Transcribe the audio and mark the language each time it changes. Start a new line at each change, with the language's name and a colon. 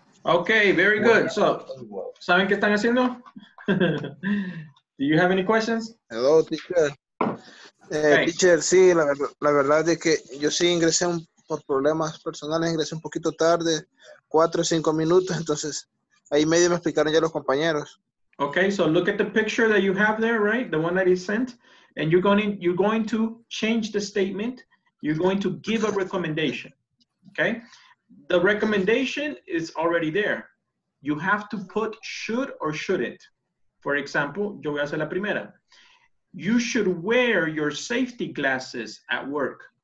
English: Okay, very good. So,
Spanish: ¿saben qué están haciendo?
English: Do you have any questions? Hello, teacher.
Spanish: Teacher, sí, la verdad es que yo sí ingresé por problemas personales, ingresé un poquito tarde, 4 o 5 minutos, entonces ahí medio me explicaron ya los compañeros.
English: Okay, so look at the picture that you have there, right? The one that he sent. And you're going to change the statement. You're going to give a recommendation, okay? the recommendation is already there. You have to put should or shouldn't. For example,
Spanish: yo voy a hacer la primera.
English: You should wear your safety glasses at work.